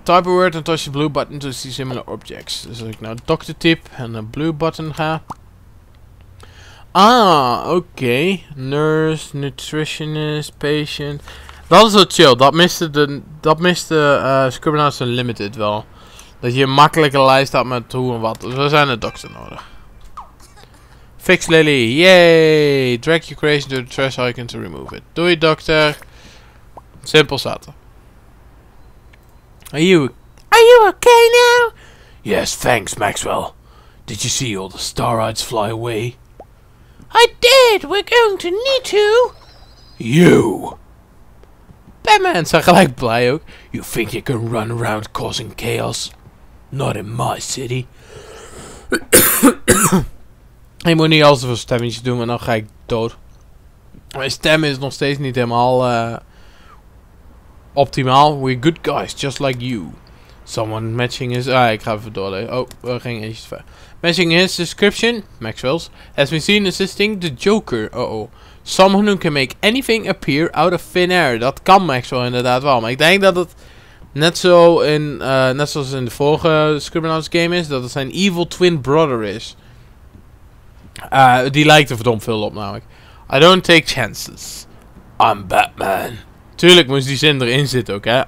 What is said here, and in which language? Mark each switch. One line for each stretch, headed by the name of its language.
English: Type a word and touch the blue button to see similar objects.
Dutch: Dus als ik nou doctor typ en naar blue button ga.
English: Ah, oké. Okay. Nurse, nutritionist, patient.
Dutch: Dat is wel chill, dat miste Scribblenauts Unlimited wel. Dat je een makkelijke lijst had met hoe en wat, dus we zijn een dokter nodig.
English: Fix Lily, yay! Drag your creation to the trash icon to remove it.
Dutch: Doei dokter! Simpel zat.
English: Are you okay now? Yes, thanks Maxwell. Did you see all the Starrights fly away? I did, we're going to need to! You!
Dutch: Batman, zijn gelijk blij ook.
English: You think you can run around causing chaos? Not in my city.
Dutch: Ik moet niet al zoveel stemmetjes doen, maar dan ga ik dood. Mijn stem is nog steeds niet helemaal optimaal.
English: We're good guys, just like you. Someone matching his...
Dutch: Ah, ik ga even doorlezen. Oh, we gingen eentje te ver.
English: Matching his description, Maxwell's, has been seen assisting the Joker. Uh-oh. Someone who can make anything appear out of thin air.
Dutch: Dat kan Maxwell inderdaad wel. Maar ik denk dat het net zo in, net zoals in de vorige Scribblenauts game is. Dat het zijn
English: evil twin brother
Dutch: is. Die lijkt er verdomd veel op namelijk.
English: I don't take chances. I'm Batman.
Dutch: Tuurlijk moest die zin erin zitten ook, hè.